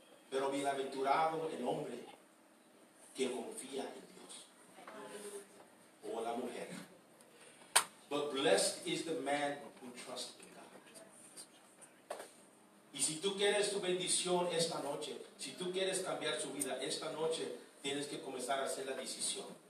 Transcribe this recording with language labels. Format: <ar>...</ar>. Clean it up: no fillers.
<es>Pero bienaventurado el hombre que confía en Dios. O la mujer.</es> <en>But blessed is the man who trusts in God.</en> <es>Y si tú quieres tu bendición esta noche, si tú quieres cambiar su vida esta noche, tienes que comenzar a hacer la decisión.</es>